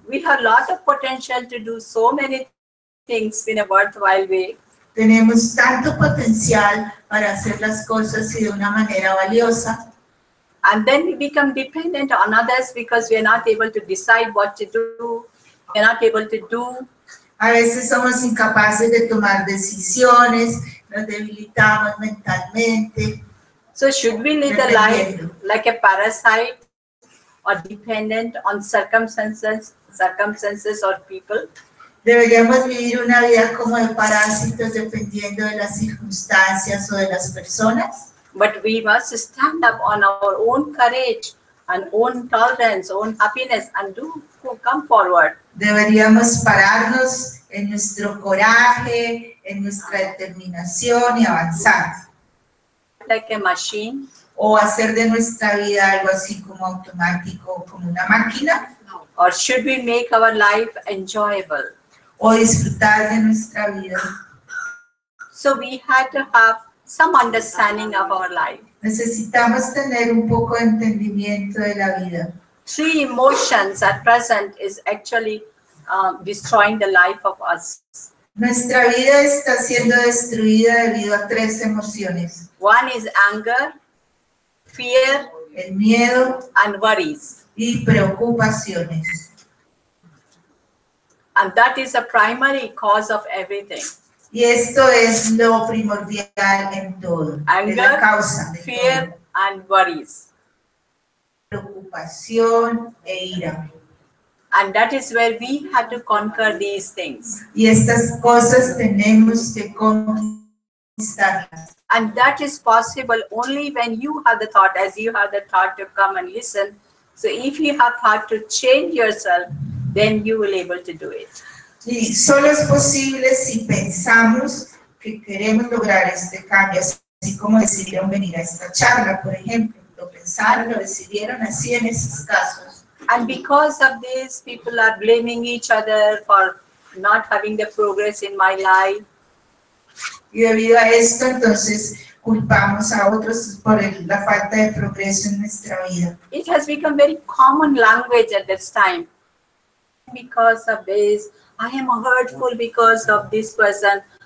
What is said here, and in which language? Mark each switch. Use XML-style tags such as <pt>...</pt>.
<en>We have a lot of potential to do so many things in a worthwhile way.</en> <es>Tenemos tanto potencial para hacer las cosas y de una manera valiosa.</es> <en>And then we become dependent on others because we are not able to decide what to do. We are not able to do.</en> <es>A veces somos incapaces de tomar decisiones, nos debilitamos mentalmente.</es> <en>So should we live a life like a parasite or dependent on circumstances or people?</en> <es>Deberíamos vivir una vida como de parásitos dependiendo de las circunstancias o de las personas.</es> <en>But we must stand up on our own courage and own tolerance, own happiness and do come forward.</en> <es>Deberíamos pararnos en nuestro coraje, en nuestra determinación y avanzar.</es> <en>Like a machine.</en> <es>O hacer de nuestra vida algo así como automático, como una máquina.</es> <en>Or should we make our life enjoyable?</en> <es>O disfrutar de nuestra vida.</es> <en>So we had to have some understanding of our life.</en> <es>Necesitamos tener un poco de entendimiento de la vida.</es> <en>Three emotions at present is actually destroying the life of us.</en> <es>Nuestra vida está siendo destruida debido a tres emociones.</es> <en>One is anger, fear,</en> <es>el miedo,</es> <en>and worries.</en> <es>Y preocupaciones.</es> <en>And that is a primary cause of everything.</en> <es>Y esto es lo primordial en todo.</es> <en>Anger,</en> <es>la causa de</es> <en>fear,</en> <es>todo.</es> <en>And worries.</en> <es>Preocupación e ira.</es> <en>And that is where we have to conquer these things.</en> <es>Y estas cosas tenemos que conquistarlas.</es> <en>And that is possible only when you have the thought, as you have the thought to come and listen. So if you have thought to change yourself, then you will be able to do it.</en> <es>Y solo es posible si pensamos que queremos lograr este cambio, así como decidieron venir a esta charla, por ejemplo. Lo pensaron, lo decidieron así en esos casos.</es> <en>And because of this, people are blaming each other for not having the progress in my life.</en> <es>Y debido a esto, entonces, culpamos a otros por la falta de progreso en nuestra vida.</es> <en>It has become very common language at this time. Because of this, I am hurtful because of this person.</en>